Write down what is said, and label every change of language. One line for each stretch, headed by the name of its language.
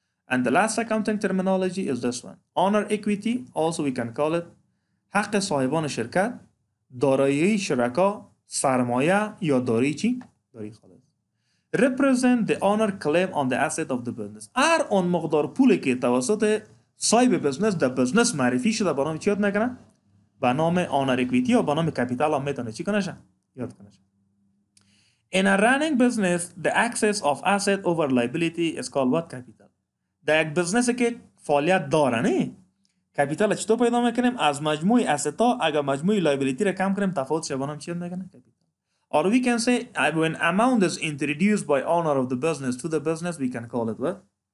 English: And the last accounting terminology is this one. Owner equity, also we can call it.
Persian: حق صاحبان شرکت، دارایی شرکا، سرمایه یا داری چی؟ داری خالص.
English: Represent the owner claim on the asset of the business.
Persian: هر اون مقدار پولی که توسط صاحب بزنس در بزنس معرفی شده با نام چی یاد میکنه؟ با نام اونر اکویتی یا با نام کپیتال هم میتونه چی کنه یاد کنه.
English: In a running business, the excess of asset over liability is called what? Capital.
Persian: در یک بزنس که فعالیت داره نه؟ کپیتال چطور پیدا میکنیم؟ از مجموع اسیت ها اگر مجموع لایبیلیتی را کم کنیم تفاوت شده با نام چی یاد میکنه؟ Capital.
English: Or we can say when amount is introduced by owner of the business to the business, we can call it what?